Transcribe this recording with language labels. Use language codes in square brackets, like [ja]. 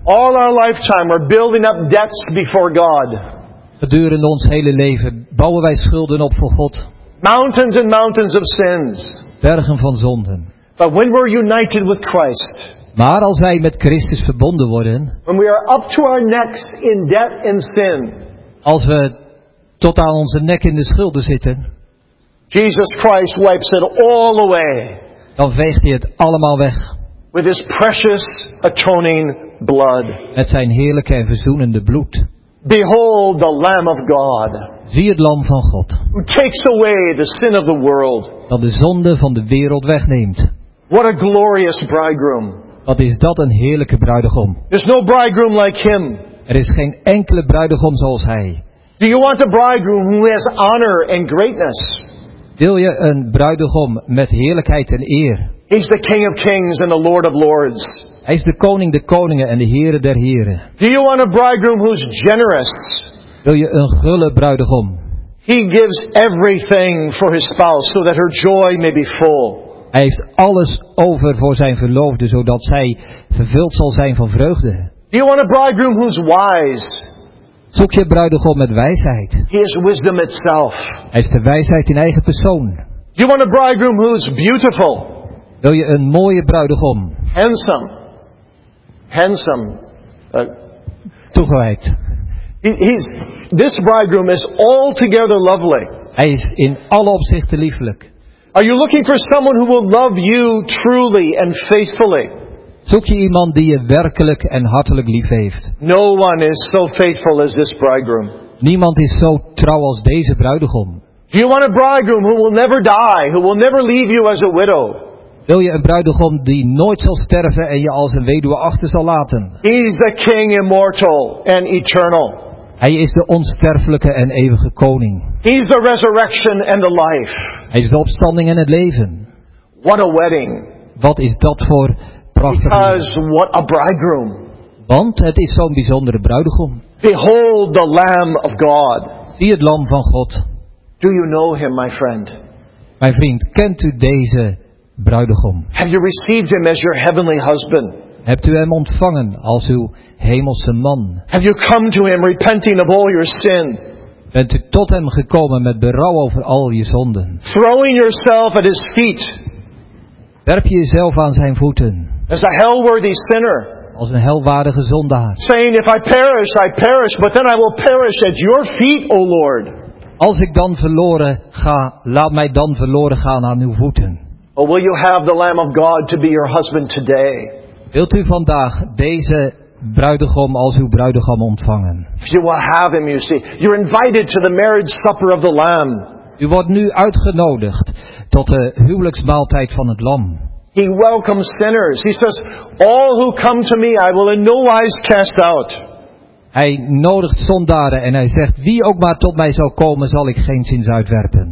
[en] All our lifetime we're building up debts before God. [nl] Gedurende ons hele leven bouwen wij schulden op voor God. [en] Mountains and mountains of sins. [nl] Bergen van zonden. [en] But when we're united with Christ. [nl] Maar als wij met Christus verbonden worden. [en] When we are up to our necks in debt and sin. [nl] Als we tot aan onze nek in de schulden zitten. [en] Jesus Christ wipes it all away. [nl] Dan veegt hij het allemaal weg. [en] With his precious atoning blood. [nl] Met zijn heerlijke en verzoenende bloed. [en] Behold the Lamb of God. [nl] Zie het Lam van God. [en] Who takes away the sin of the world. [nl] Dat de zonde van de wereld wegneemt. [en] What a glorious bridegroom. [nl] Wat is dat een heerlijke bruidegom. [en] There's no bridegroom like him. [nl] Er is geen enkele bruidegom zoals hij. [en] Do you want a bridegroom who has honor and greatness? [nl] Wil je een bruidegom met heerlijkheid en eer? [en] He's the King of Kings and the Lord of Lords. [nl] Hij is de koning der koningen en de heren der heren. [en] Do you want a bridegroom who's generous? [nl] Wil je een gulle bruidegom? [en] He gives everything for his spouse so that her joy may be full. [nl] Hij heeft alles over voor zijn verloofde zodat zij vervuld zal zijn van vreugde. [en] Do you want a bridegroom who's wise? [nl] Zoek je bruidegom met wijsheid. [en] He is wisdom itself. [nl] Hij is de wijsheid in eigen persoon. [en] Do you want a bridegroom who's beautiful? [nl] Wil je een mooie bruidegom? [en] Handsome. Handsome. [nl] Toegewijd. [en] This bridegroom is altogether lovely. [nl] Hij is in alle opzichten lieflijk. [en] Are you looking for someone who will love you truly and faithfully? [nl] Zoek je iemand die je werkelijk en hartelijk lief heeft? [en] No one is so faithful as this bridegroom. [nl] Niemand is zo trouw als deze bruidegom. [en] Do you want a bridegroom who will never die, who will never leave you as a widow? [nl] Wil je een bruidegom die nooit zal sterven en je als een weduwe achter zal laten? [en] He's the King immortal and eternal. [nl] Hij is de onsterfelijke en eeuwige koning. [en] He's the resurrection and the life. [nl] Hij is de opstanding en het leven. [en] What a wedding. [nl] Wat is dat voor prachtig. [en] Because what a bridegroom. [nl] Want het is zo'n bijzondere bruidegom. [en] Behold the Lamb of God. [nl] Zie het Lam van God. [en] Do you know him, my friend? [nl] Mijn vriend, kent u deze bruidegom? [en] Have you received him as your heavenly husband? [nl] Hebt u hem ontvangen als uw hemelse man? [en] Have you come to him repenting of all your sin? [nl] Bent u tot hem gekomen met berouw over al je zonden? [en] Throwing yourself at his feet. [nl] Werp je jezelf aan zijn voeten. [en] As a hell-worthy sinner. [nl] Als een helwaardige zondaar. [en] Saying, if I perish, I perish, but then I will perish at your feet, O Lord. [nl] Als ik dan verloren ga, laat mij dan verloren gaan aan uw voeten. [en] Or will you have the Lamb of God to be your husband today? [nl] Wilt u vandaag deze bruidegom als uw bruidegom ontvangen? [en] You will have him, you see. You're invited to the marriage supper of the Lamb. [nl] U wordt nu uitgenodigd tot de huwelijksmaaltijd van het Lam. [en] He welcomes sinners. He says, all who come to me, I will in no wise cast out. [nl] Hij nodigt zondaren en hij zegt, wie ook maar tot mij zal komen, zal ik geenszins uitwerpen.